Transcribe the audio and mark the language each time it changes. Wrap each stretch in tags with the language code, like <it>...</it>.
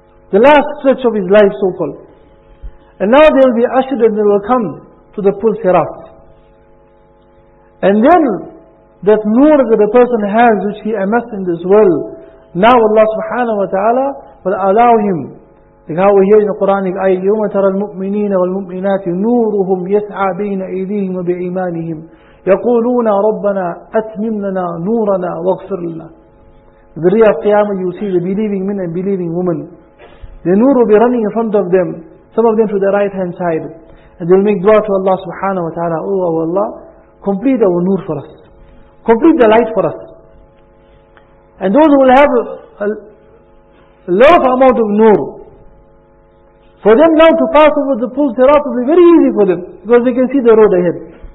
<en>The last stretch of his life, so called. And now they will be ushered and they will come to the Pul Sirat. And then that nur that a person has, which he amassed in this world, now Allah subhanahu wa ta'ala will allow him. Like how we hear in the Quranic ayah,</en> <ar>يَوْمَ تَرَى الْمُؤْمِنِينَ وَالْمُؤْمِنَاتِ نُورُهُمْ يَسْعَى بَيْنَ أَيْدِيهِمْ وَبِإِيمَانِهِمْ يَقُولُونَ رَبَّنَا أَتْمِمْ لَنَا نُورَنَا وَاغْفِرْ لَنَا.</ar> <en>The day of Qiyamah you see the believing men and believing women. The nur will be running in front of them, some of them to the right hand side. And they will make dua to Allah subhanahu wa ta'ala, oh Allah, complete our nur for us. Complete the light for us. And those who will have a large amount of nur, for them now to pass over the Pul Sirat will be very easy for them, because they can see the road ahead.</en>